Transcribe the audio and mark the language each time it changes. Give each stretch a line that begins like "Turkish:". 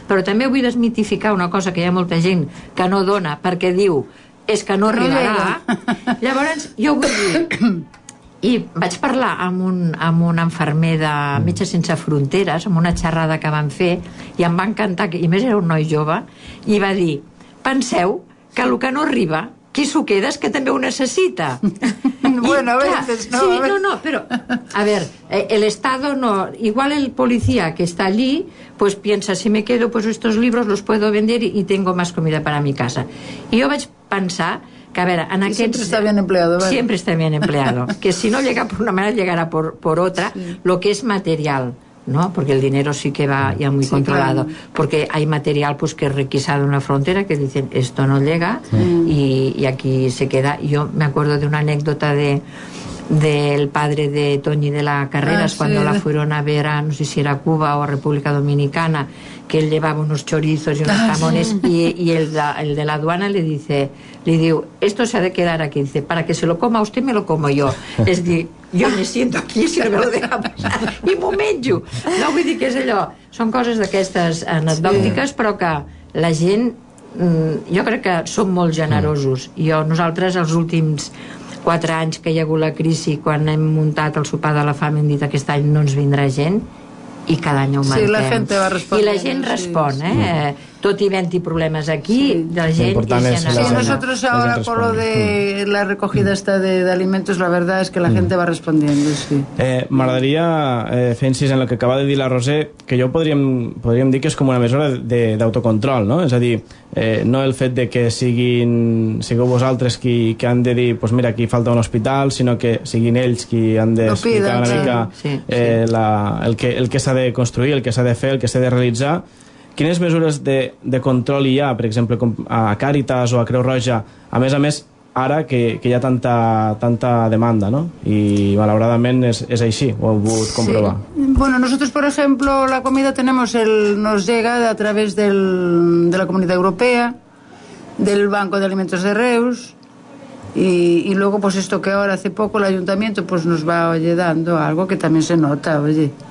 Catalan: Però també vull desmitificar una cosa que hi ha molta gent que no dona perquè diu és que no arribarà. Llavors jo vull dir, I vaig parlar amb un infermer de Metges Sense Fronteres, amb una xerrada que van fer, i em va encantar, i més era un noi jove, i va dir, penseu que el que no arriba, qui s'ho queda és que també ho necessita.
Spanish: Bueno, a veces, no,
Catalan: sí, no, no, però, a veure,
Spanish: el Estado no, igual el policía que está allí, pues piensa, si me quedo pues estos libros los puedo vender y tengo más comida para mi casa.
Catalan: I jo vaig pensar... Que,
Spanish: a ver,
Catalan: en aquests,
Spanish: siempre está bien empleado, ¿vale? Siempre está bien empleado. Que si no llega por una manera, llegará por otra, sí. Lo que es material, ¿no? Porque el dinero sí que va ya muy sí, controlado. Claro. Porque hay material pues, que es requisado en una frontera, que dicen, esto no llega, sí. Y aquí se queda. Yo me acuerdo de una anécdota del padre de Toñi de la Carreras, ah, sí, cuando la fueron a ver a, no sé si era Cuba o a República Dominicana, que él llevaba unos chorizos y unos jamones, ah, sí. Y el de la aduana le dice, le digo, esto se ha de quedar aquí, dice, para que se lo coma usted, me lo como yo. Es decir, yo me siento aquí si no me lo deja pasar, y
Catalan: me menjo. No vull dir que és allò, són coses d'aquestes anecdòtiques, sí. Però que la gent, jo crec que som molt generosos. Jo, nosaltres, els últims 4 anys que hi ha hagut la crisi, quan hem muntat el sopar de la fam, hem dit aquest any no ens vindrà gent, i cada any ho mantem. Sí, la gent va respondre. I la gent respon, sí, sí. Tot i havent-hi problemes aquí, sí. La gent...
Spanish: Sí, nosotros ahora con lo de la recogida esta de alimentos, la verdad es que la gente va respondiendo, sí.
Catalan: M'agradaria fer incís en el que acaba de dir la Roser, que jo podríem dir que és com una mesura d'autocontrol, no? És a dir, no el fet de que sigueu vosaltres qui han de dir,
Spanish: pues mira,
Catalan: aquí falta un hospital, sinó que siguin ells qui han d'explicar una mica el que s'ha de construir, el que s'ha de fer, el que s'ha de realitzar. Quines mesures de control hi ha, per exemple, a Càritas o a Creu Roja, a més, ara que hi ha tanta demanda, no? I, malauradament, és així, ho heu pogut comprovar. Sí.
Spanish: Bueno, nosotros, por ejemplo, la comida nos llega a través de la Comunidad Europea, del Banco de Alimentos de Reus, y luego, pues esto que ahora, hace poco, el Ayuntamiento pues nos va, oye, dando algo que también se nota, oye.